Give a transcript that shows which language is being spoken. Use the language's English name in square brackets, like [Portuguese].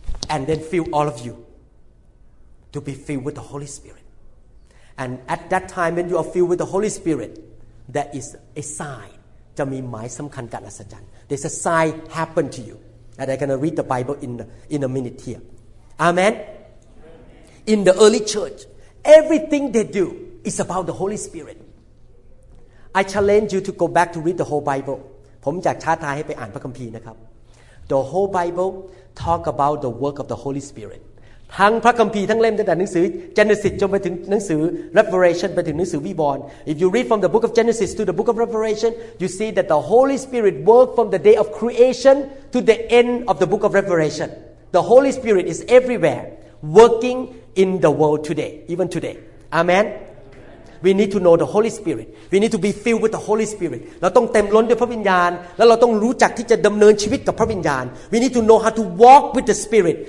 [English] And then fill all of you to be filled with the Holy Spirit. And at that time when you are filled with the Holy Spirit, there is a sign. [Thai] จะมีหมายสำคัญกับอัศจรรย์ [English] There's a sign happen to you. And I'm going to read the Bible in a minute here. Amen. In the early church, everything they do is about the Holy Spirit. I challenge you to go back to read the whole Bible. [Thai] ผมจากชาติไทยให้ไปอ่านพระคัมภีร์นะครับ [English] The whole Bible talk about the work of the Holy Spirit [Thai] ทั้งพระคัมภีร์ทั้งเล่มตั้งแต่หนังสือ Genesis จนไปถึงหนังสือ Revelation ไปถึงหนังสือวิบวร [English] If you read from the book of Genesis to the book of Revelation you see that the Holy Spirit work from the day of creation to the end of the book of Revelation The Holy Spirit is everywhere working in the world today even today AmenWe need to know the Holy Spirit. We need to be filled with the Holy Spirit. [Thai] เราต้องเต็มล้นด้วยพระวิญญาณแล้วเราต้องรู้จักที่จะดำเนินชีวิตกับพระวิญญาณ [English] We need to know how to walk with the Spirit.